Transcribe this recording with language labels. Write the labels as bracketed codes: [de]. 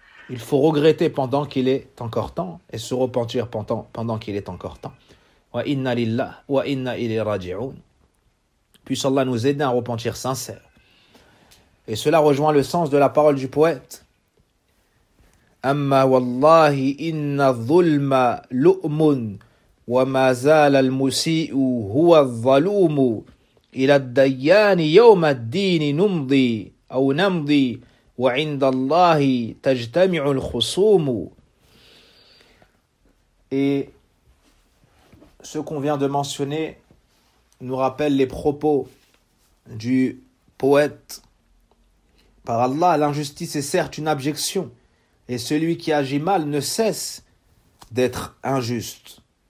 [fr] Il faut regretter pendant qu'il est encore temps et se repentir pendant qu'il est encore temps. [ar] Wa-inna lillah, wa-inna ilayhi raji'un. [fr] Puisse Allah nous aider à un repentir sincère. Et cela rejoint le sens de la parole du poète. [ar] أما والله إن الظلم لؤم وما زال المسيء هو الظلوم إلى الديان يوم الدين نمضي أو نمضي وعند الله تجتمع الخصوم. [fr] Et ce qu'on vient de mentionner nous rappelle les propos du poète. Par Allah, l'injustice est certes une abjection. Et celui qui agit mal ne cesse d'être injuste.